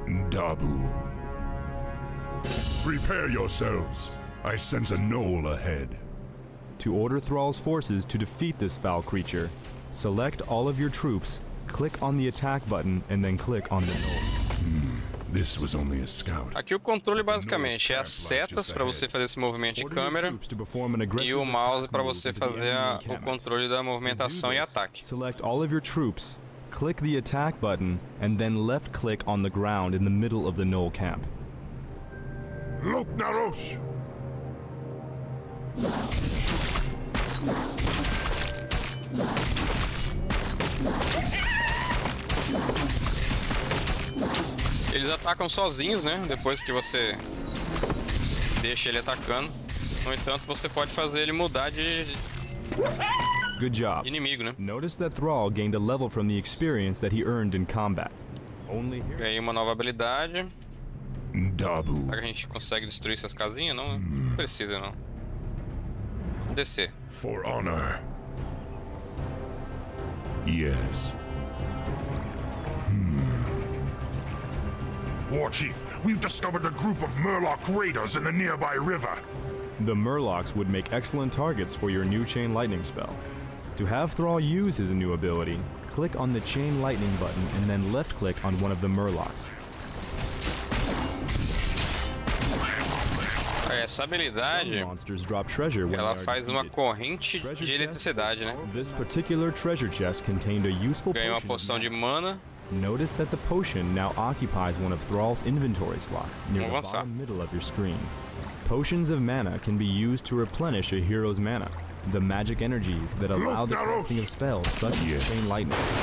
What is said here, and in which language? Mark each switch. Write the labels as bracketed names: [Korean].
[English] Dabu. Prepare yourselves. I sense a knoll ahead. To order Thrall's forces to defeat this foul creature, select all of your troops, click on the attack button, and then click on the knoll. This was only a scout. [Portuguese] Aqui o controle basicamente é as setas para você fazer esse movimento de câmera e o mouse para você fazer o controle da movimentação e ataque. [English] Select all of your troops, click the attack button and then left click on the ground in the middle of the Knoll camp. Look, Naros. [Portuguese] Eles atacam sozinhos, né? Depois que você deixa ele atacando. No entanto, você pode fazer ele mudar de [English] Good job. [Portuguese] De inimigo, né? [English] Notice that Thrall gained a level from the experience that he earned in combat. Only here. [Portuguese] Ganhei uma nova habilidade. [English] Dabu. [Portuguese] Será que a gente consegue destruir essas casinhas? Não, não precisa, não. Vamos descer. [English] For honor. Yes. War Chief, we've discovered a group of Murloc raiders in the nearby river. The Murlocs would make excellent targets for your new chain lightning spell. To have Thrall use his new ability, click on the chain lightning button and then left click on one of the Murlocs. [Portuguese] Essa habilidade, ela faz uma corrente de eletricidade, né? [English] This particular treasure chest contained a useful [Portuguese] potion. Ganhei uma poção de mana. [English] Notice that the potion now occupies one of Thrall's inventory slots near the bottom middle of your screen. Potions of mana can be used to replenish a hero's mana, the magic energies that allow the casting of spells such as chain lightning.